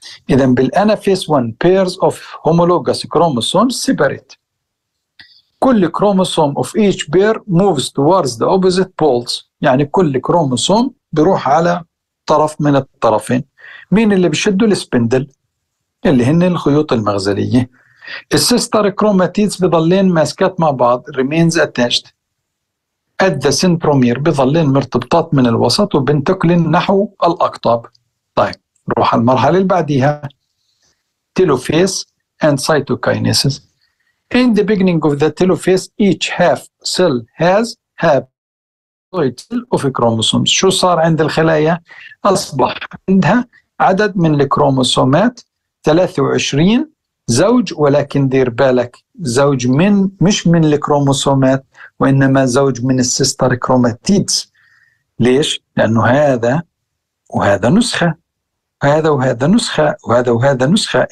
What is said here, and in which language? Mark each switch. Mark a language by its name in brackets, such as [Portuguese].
[Arabic] إذن بالأنافيس 1 [English] pairs of homologous chromosomes separate. كل chromosome of each pair moves towards the opposite poles. [Arabic] يعني كل كروموسوم بيروح على طرف من الطرفين. مين اللي بيشدوا السبندل؟ اللي هن الخيوط المغزلية. السيستر كروماتيدز بيظلين ماسكات مع بعض، [English] remains attached. [Arabic] أدى سنترومير بيظلين مرتبطات من الوسط وبنتقلن نحو الأقطاب. طيب نروح المرحلة اللي بعديها، تيلوفيس and cytokinesis. [English] In the beginning of the telophase, each half cell has haploid cell of chromosomes. [Arabic] شو صار عند الخلايا؟ أصبح عندها عدد من الكروموسومات 23 زوج، ولكن دير بالك زوج من مش من الكروموسومات، وإنما زوج من السيستر كروماتيدز. ليش؟ لأنه هذا وهذا نسخة، هذا وهذا نسخة، وهذا وهذا نسخة.